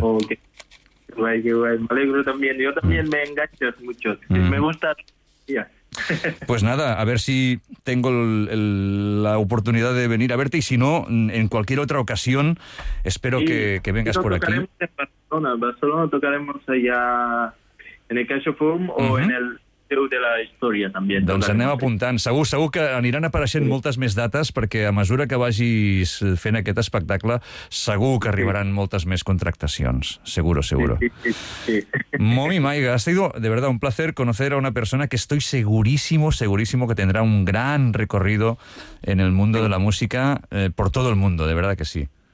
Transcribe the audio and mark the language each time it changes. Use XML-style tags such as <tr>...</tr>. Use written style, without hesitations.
<es>Okay. Guay, me alegro también, yo también me enganchas mucho, me gusta. Pues nada, a ver si tengo la oportunidad de venir a verte, y si no, en cualquier otra ocasión, espero que vengas por aquí. Tocaremos en Barcelona. Barcelona tocaremos allá en el CaixaForum o en el Teu de la Història també.</es> <ca>Doncs anem apuntant. Segur que aniran apareixent moltes més dates, perquè a mesura que vagis fent aquest espectacle, segur que arribaran moltes més contractacions.</ca> <es>Seguro. Sí. Momi Maiga, ha sido de verdad un placer conocer a una persona que estoy segurísimo que tendrá un gran recorrido en el mundo de la música, por todo el mundo, de verdad que sí.</es>